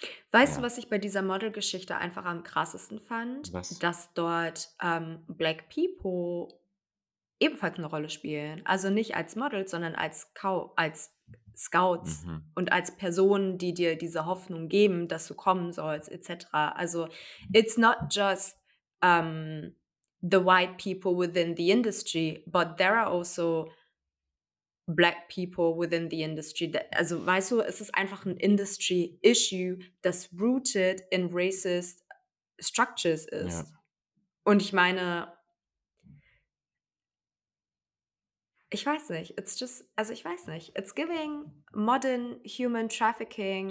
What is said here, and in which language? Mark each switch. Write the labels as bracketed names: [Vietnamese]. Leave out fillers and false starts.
[German] Weißt du, was ich bei dieser Model-Geschichte einfach am krassesten fand? Was? Dass dort Black People ebenfalls eine Rolle spielen. Also nicht als Models, sondern als Scouts und als Personen, die dir diese Hoffnung geben, dass du kommen sollst, etc. [English] Also it's not just the white people within the industry, but there are also Black people within the industry. [German] Also weißt du, es ist einfach ein Industry-Issue, das [English] rooted in racist structures [German] ist. Ja. Und ich meine, ich weiß nicht, [English] it's giving modern human trafficking.